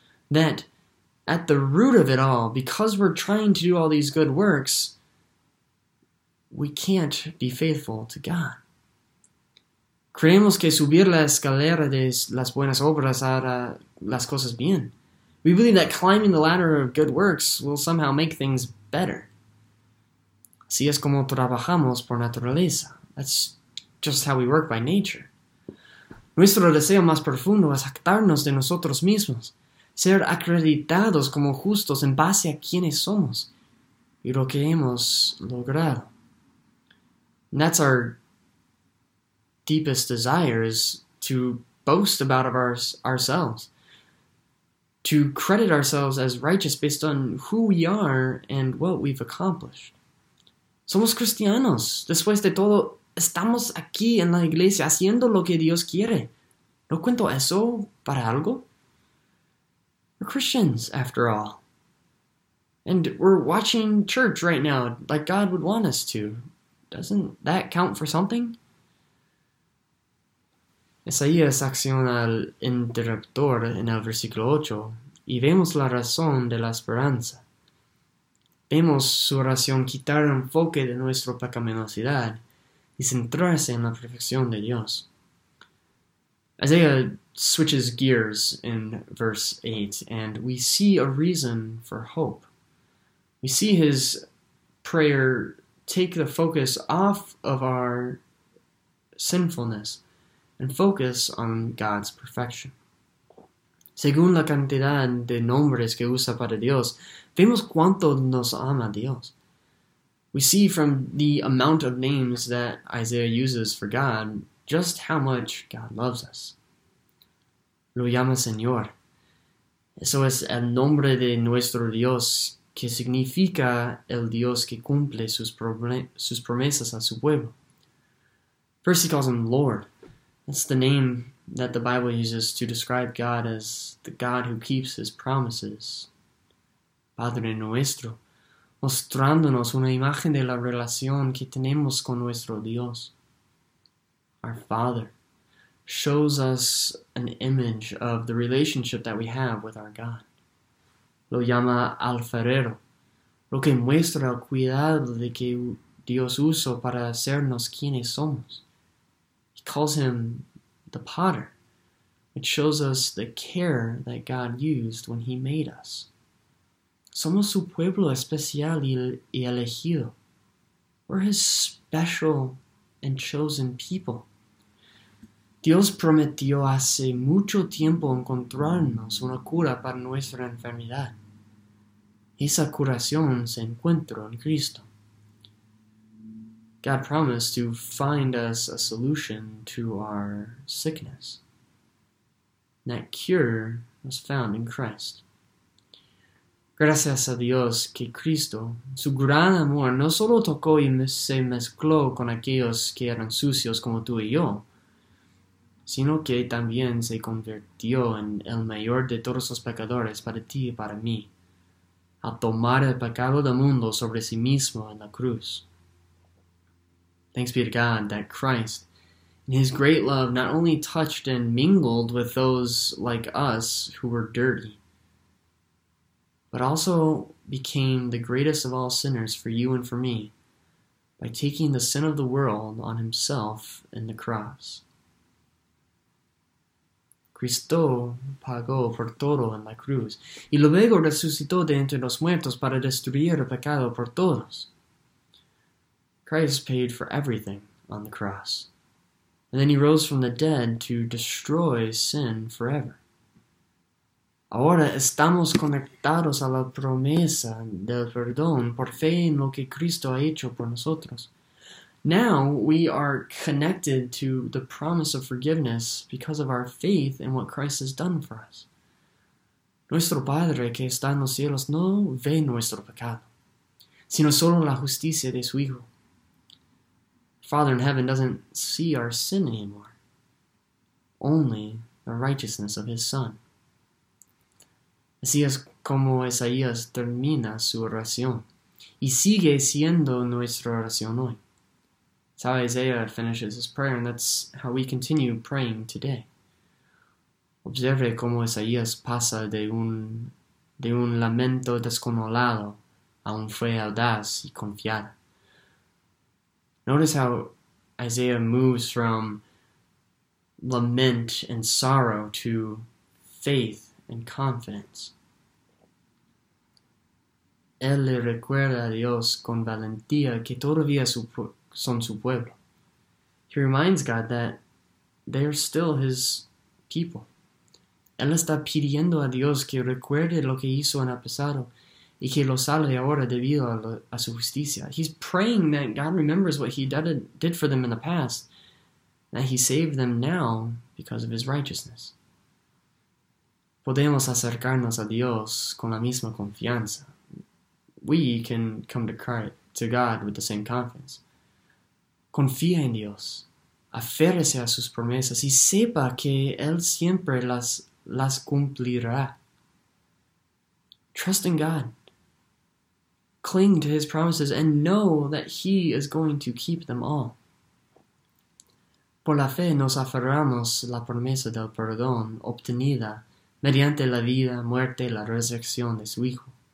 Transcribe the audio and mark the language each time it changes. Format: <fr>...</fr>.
<en>That at the root of it all, because we're trying to do all these good works, we can't be faithful to God.</en> <es>Creemos que subir la escalera de las buenas obras hará las cosas bien.</es> <en>We believe that climbing the ladder of good works will somehow make things better.</en> <es>Así es como trabajamos por naturaleza.</es> <en>That's just how we work by nature.</en> <es>Nuestro deseo más profundo es jactarnos de nosotros mismos, ser acreditados como justos en base a quienes somos y lo que hemos logrado.</es> <en>And that's our deepest desire, is to boast about ourselves, to credit ourselves as righteous based on who we are and what we've accomplished.</en> <es>Somos cristianos. Después de todo, estamos aquí en la iglesia haciendo lo que Dios quiere. ¿No cuento eso para algo?</es> <en>We're Christians, after all. And we're watching church right now, like God would want us to. Doesn't that count for something?</en> <es>Isaías acciona el interruptor en el versículo 8, y vemos la razón de la esperanza. Vemos su oración quitar el enfoque de nuestra pecaminosidad y centrarse en la perfección de Dios.</es> <en>Isaiah switches gears in verse 8, and we see a reason for hope. We see his prayer take the focus off of our sinfulness and focus on God's perfection.</en> <es>Según la cantidad de nombres que usa para Dios, vemos cuánto nos ama Dios.</es> <en>We see from the amount of names that Isaiah uses for God just how much God loves us.</en> <es>Lo llama Señor. Eso es el nombre de nuestro Dios, que significa el Dios que cumple sus promesas a su pueblo.</es> <en>First he calls him Lord. That's the name that the Bible uses to describe God as the God who keeps his promises.</en> <es>Padre nuestro, mostrándonos una imagen de la relación que tenemos con nuestro Dios.</es> <en>Our Father shows us an image of the relationship that we have with our God.</en> <es>Lo llama alfarero, lo que muestra el cuidado de que Dios usó para hacernos quienes somos.</es> <en>He calls him the potter, which shows us the care that God used when he made us.</en> <es>Somos su pueblo especial y elegido.</es> <en>We're his special and chosen people.</en> <es>Dios prometió hace mucho tiempo encontrarnos una cura para nuestra enfermedad. Esa curación se encuentra en Cristo.</es> <en>God promised to find us a solution to our sickness. That cure was found in Christ.</en> <es>Gracias a Dios que Cristo, su gran amor, no solo tocó y se mezcló con aquellos que eran sucios como tú y yo, sino que también se convirtió en el mayor de todos los pecadores para ti y para mí, al tomar el pecado del mundo sobre sí mismo en la cruz.</es> <en>Thanks be to God that Christ, in his great love, not only touched and mingled with those like us who were dirty, but also became the greatest of all sinners for you and for me by taking the sin of the world on himself in the cross.</en> <es>Cristo pagó por todo en la cruz, y luego resucitó de entre los muertos para destruir el pecado por todos.</es> <en>Christ paid for everything on the cross, and then he rose from the dead to destroy sin forever.</en> <es>Ahora estamos conectados a la promesa del perdón por fe en lo que Cristo ha hecho por nosotros.</es> <en>Now we are connected to the promise of forgiveness because of our faith in what Christ has done for us.</en> <es>Nuestro Padre que está en los cielos no ve nuestro pecado, sino solo la justicia de su Hijo.</es> <en>Father in heaven doesn't see our sin anymore, only the righteousness of his Son.</en> <es>Así es como Isaías termina su oración, y sigue siendo nuestra oración hoy.</es> <en>It's how Isaiah finishes his prayer, and that's how we continue praying today.</en> <es>Observe cómo Isaías pasa de un lamento desconsolado a un fe audaz y confiada.</es> <en>Notice how Isaiah moves from lament and sorrow to faith and confidence.</en> <es>Él le recuerda a Dios con valentía que todavía son su pueblo.</es> <en>He reminds God that they are still his people.</en> <es>Él está pidiendo a Dios que recuerde lo que hizo en el pasado y que lo salve ahora debido a su justicia.</es> <en>He's praying that God remembers what he did for them in the past, that he saved them now because of his righteousness.</en> <es>Podemos acercarnos a Dios con la misma confianza.</es> <en>We can come to God with the same confidence.</en> <es>Confía en Dios, aférrese a sus promesas y sepa que Él siempre las cumplirá.</es> <en>Trust in God. cling to his promises and know that he is going to keep them all.</en> <es>Por la fe nos aferramos la promesa del perdón obtenida mediante la vida, muerte, la resurrección de su Hijo.</es>